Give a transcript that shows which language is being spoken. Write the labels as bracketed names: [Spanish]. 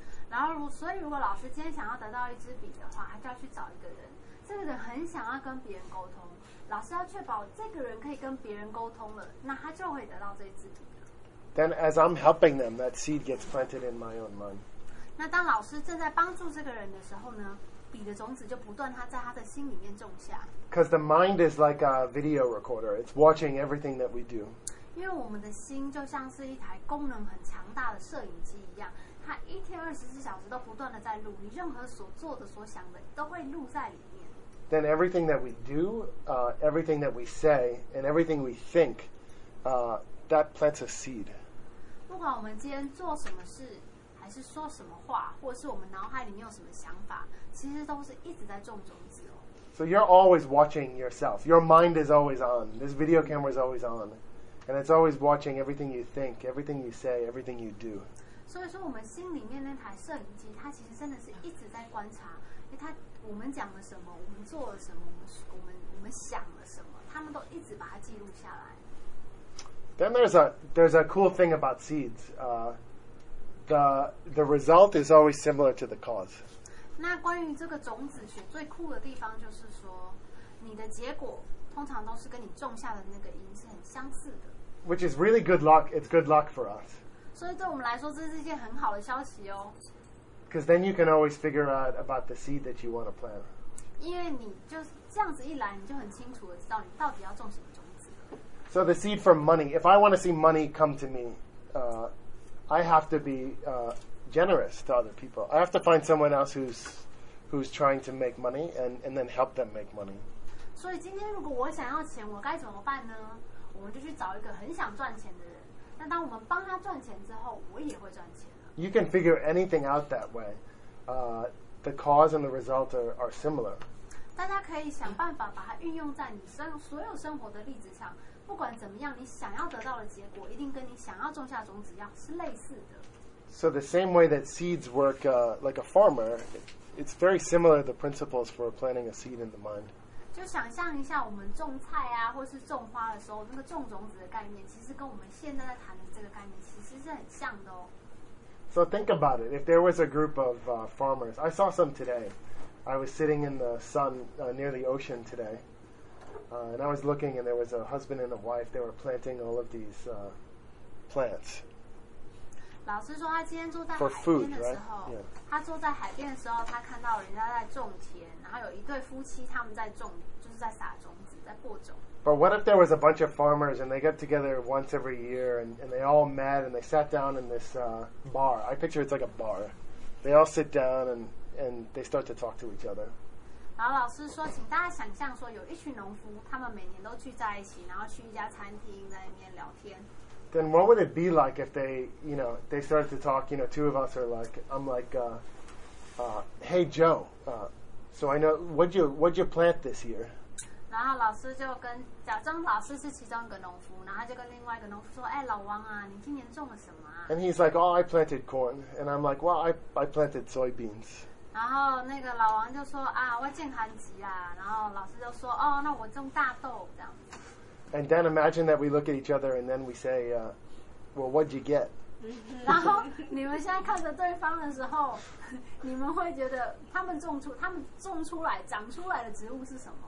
[Chinese] 然后如果老师今天想要得到一支笔的话，他就要去找一个人。这个人很想要跟别人沟通，老师要确保这个人可以跟别人沟通了，那他就会得到这支笔。 [English] Then as I'm helping them, that seed gets planted in my own mind. [Chinese] 那当老师正在帮助这个人的时候呢？笔的种子就不断在他的心里面种下。 [English] Because the mind is like a video recorder. It's watching everything that we do. [Chinese] 因为我们的心就像是一台功能很强大的摄影机一样，它一天二十四小时都不断在录，你任何所做的、所想的都会录在里面。 [English] Then everything that we do, everything that we say, and everything we think, that plants a seed. [Chinese] 不管我们今天做什么事，还是说什么话，或是我们脑海里面有什么想法，其实都是一直在种种子哦。 [English] So you're always watching yourself. Your mind is always on. This video camera is always on. And it's always watching everything you think, everything you say, everything you do. [Chinese] 所以说我们心里面那台摄影机，它其实真的是一直在观察，它我们讲了什么，我们做了什么，我们想了什么，他们都一直把它记录下来。 [English] Then there's a cool thing about seeds. The result is always similar to the cause. [Chinese] 那关于这个种子学最酷的地方就是说，你的结果通常都是跟你种下的那个因是很相似的。 [English] Which is really good luck. It's good luck for us. [Chinese] 所以对我们来说，这是一件很好的消息哦。 [English] Because then you can always figure out about the seed that you want to plant. [Chinese] 因为你就这样子一来，你就很清楚的知道你到底要种什么种子。 [English] So the seed for money. If I want to see money come to me, I have to be generous to other people. I have to find someone else who's trying to make money and then help them make money. [Chinese] 所以今天如果我想要钱，我该怎么办呢？我们就去找一个很想赚钱的人。那当我们帮他赚钱之后，我也会赚钱了。 [English] You can figure anything out that way. The cause and the result are similar. [Chinese] 大家可以想办法把它运用在你所有生活的例子上。不管怎么样，你想要得到的结果一定跟你想要种下种子一样是类似的。 [English] So the same way that seeds work like a farmer, it's very similar the principles for planting a seed in the mind. [Chinese] 就想象一下我们种菜啊，或是种花的时候，那个种种子的概念，其实跟我们现在在谈的这个概念其实是很像的哦。 [English] So think about it. If there was a group of farmers, I saw some today. I was sitting in the sun near the ocean today. And I was looking, and there was a husband and a wife. They were planting all of these plants. [Chinese] 老师说他今天坐在海边的时候， [English] food, right? [Chinese] yeah. 他坐在海边的时候，他看到人家在种田，然后有一对夫妻他们在种，就是在撒种子，在播种。 [English] But what if there was a bunch of farmers and they got together once every year and they all met and they sat down in this bar? I picture it's like a bar. They all sit down and they start to talk to each other. [Chinese] 然后老师说，请大家想象说，有一群农夫，他们每年都聚在一起，然后去一家餐厅，在那边聊天。 [English] Then what would it be like if they, you know, they started to talk? You know, two of us are like, I'm like, hey Joe, so I know what'd you plant this year? [Chinese] 然后老师就跟假装老师是其中一个农夫，然后就跟另外一个农夫说，哎，老王啊，你今年种了什么啊？ [English] And he's like, oh, I planted corn, and I'm like, well, I planted soybeans. [Chinese] 然后那个老王就说啊，我健康级啊。然后老师就说哦，那我种大豆这样子。 [English] And then imagine that we look at each other and then we say, well, what'd you get? [Chinese] 然后你们现在看着对方的时候，你们会觉得他们种出来长出来的植物是什么？